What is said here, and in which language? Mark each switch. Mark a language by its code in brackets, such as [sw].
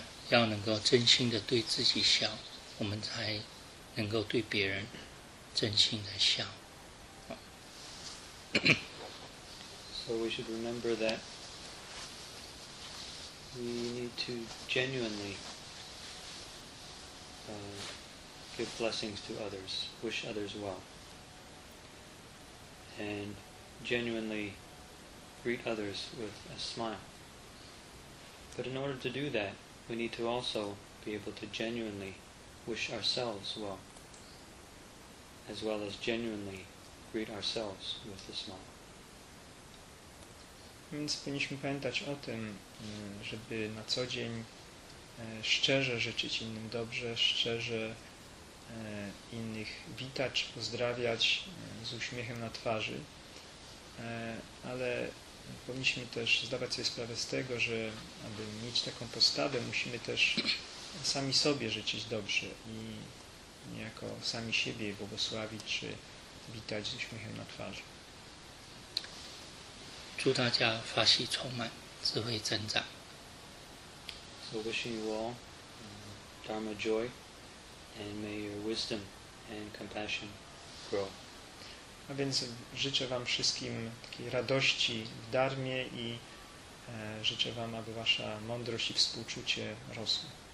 [zh] 要能够真心的对自己笑，我们才能够对别人真心的笑。 [en] So we should remember that we need to genuinely give blessings to others, wish others well, and genuinely greet others with a smile. But in order to do that, we need to also be able to genuinely wish ourselves well, as well as genuinely greet ourselves with a smile. [pl] Więc powinniśmy pamiętać o tym, żeby na co dzień szczerze życzyć innym dobrze, szczerze innych witać, pozdrawiać z uśmiechem na twarzy. Ale powinniśmy też zdawać sobie sprawę z tego, że aby mieć taką postawę, musimy też sami sobie życzyć dobrze i niejako sami siebie błogosławić czy witać z uśmiechem na twarzy. [zh] 祝大家法喜充满，智慧增长。 [en] So wishing you all Dharma joy, and may your wisdom and compassion grow. [pl] A więc życzę wam wszystkim takiej radości w darmie i życzę wam, aby wasza mądrość i współczucie rosły.